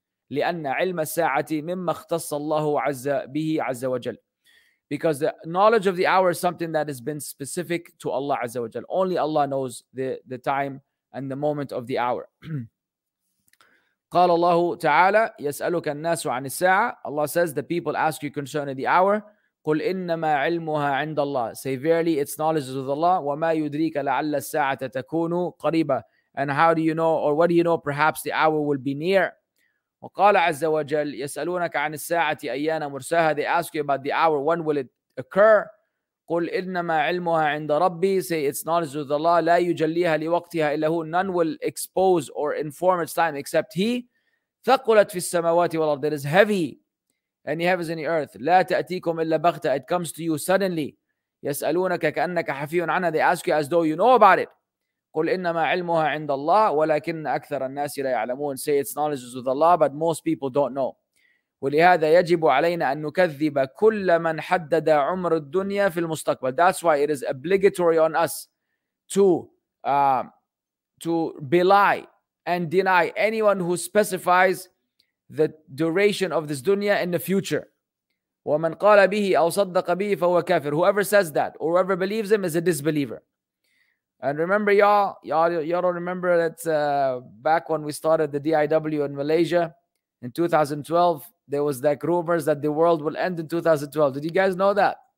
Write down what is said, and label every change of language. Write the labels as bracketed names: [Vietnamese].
[Arabic] لأن علم الساعة مما اختص الله عز به عز وجل. [English] Because the knowledge of the hour is something that has been specific to Allah Azza wa Jal. Only Allah knows the time and the moment of the hour. [Arabic] قال الله تعالى يسألك الناس عن الساعة. [English] Allah says, the people ask you concerning the hour. [Arabic] قل إنما علمها عند الله. [English] Say, verily, its knowledge is with Allah. [Arabic] وما يدريك لعل الساعة تكون قريبة. [English] And how do you know, or what do you know, perhaps the hour will be near. [Arabic] وقال عز وجل يسألونك عن الساعة أيان مرساها. [English] They ask you about the hour, when will it occur. [Arabic] قل إنما علمها عند ربي. [English] Say, it's knowledge of Allah. [Arabic] لا يجليها لوقتها إلا هو. [English] None will expose or inform its time except he. [Arabic] ثقلت في السماوات والأرض. [English] It is heavy in the heavens and the earth. [Arabic] لا تأتيكم إلا بغتة. [English] It comes to you suddenly. [Arabic] يسألونك كأنك حفي عنها. [English] They ask you as though you know about it. [Arabic] قل إنما علمها عند الله ولكن أكثر الناس لا يعلمون. [English] Say, its knowledge is with Allah, but most people don't know. [Arabic] ولهذا يجب علينا أن نكذب كل من حدد عمر الدنيا في المستقبل. [English] That's why it is obligatory on us to belie and deny anyone who specifies the duration of this dunya in the future. [Arabic] ومن قال به أو صدق به فهو كافر. [English] Whoever says that or whoever believes him is a disbeliever. And remember, y'all don't remember that back when we started the DIW in Malaysia in 2012, there was like rumors that the world will end in 2012. Did you guys know that?